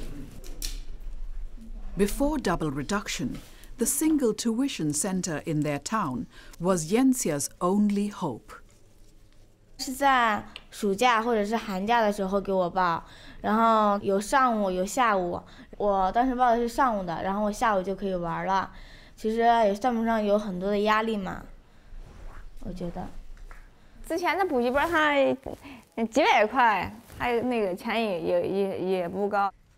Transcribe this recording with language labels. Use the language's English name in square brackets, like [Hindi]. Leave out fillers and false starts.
[Chinese] 就我的那个温平最低啊，我发现我家姑娘现在到现在为止，我家大姑娘跟我的差不多，还没有一个超越我呢。我总不能把我的两个孩子，然后超越不了我呀。我肯定焦虑啊。把这个菠菜剥一剥哈，把那个蛋也。嗯，是的，你把这个蛋也给它，好了。 [English] Before double reduction. The single tuition center in their town was Yanxia's only hope. [Chinese] 是在暑假或者是寒假的时候给我报，然后有上午有下午。我当时报的是上午的，然后我下午就可以玩了。其实也算不上有很多的压力嘛，我觉得。之前的补习班它几百块，还那个钱也不高。